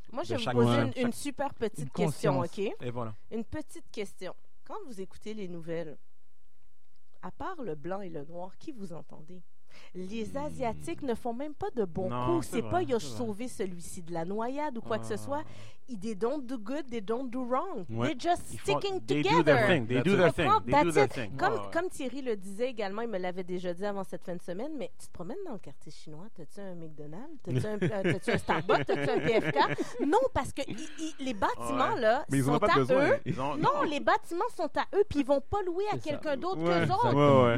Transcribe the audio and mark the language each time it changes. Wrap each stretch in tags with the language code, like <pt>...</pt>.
<fr>Moi, je vais vous poser une super petite question, OK? Et voilà. Une petite question. Quand vous écoutez les nouvelles, à part le blanc et le noir, qui vous entendez? Les Asiatiques ne font même pas de bons coups. C'est pas celui-ci de la noyade ou quoi que ce soit.</fr> <en>They don't do good, they don't do wrong. They're just sticking together. They do their thing.</en> <fr>Comme Thierry le disait également, il me l'avait déjà dit avant cette fin de semaine, mais tu te promènes dans le quartier chinois, t'as-tu un McDonald's, t'as-tu un Starbucks, t'as-tu un PFK? Non, parce que les bâtiments, les bâtiments sont à eux, puis ils vont pas louer à quelqu'un d'autre qu'eux autres.</fr>